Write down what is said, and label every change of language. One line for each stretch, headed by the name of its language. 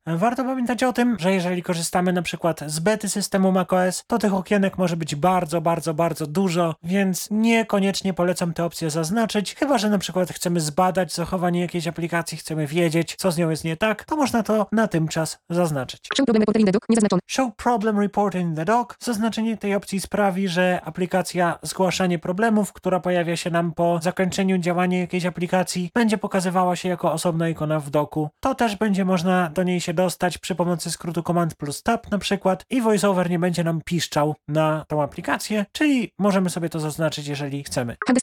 Polish: Warto pamiętać o tym, że jeżeli korzystamy na przykład z bety systemu macOS, to tych okienek może być bardzo, bardzo, bardzo dużo, więc niekoniecznie polecam tę opcję zaznaczyć, chyba że na przykład chcemy zbadać zachowanie jakiejś aplikacji, chcemy wiedzieć, co z nią jest nie tak, to można to na tym czas zaznaczyć.
English: Show problem report in the dock.
Polish: Zaznaczenie tej opcji sprawi, że aplikacja zgłaszanie problemów, która pojawia się nam po zakończeniu działania jakiejś aplikacji, będzie pokazywała się jako osobna ikona w docku. To też będzie można do niej się dostać przy pomocy skrótu command plus tab na przykład i voiceover nie będzie nam piszczał na tą aplikację, czyli możemy sobie to zaznaczyć, jeżeli chcemy.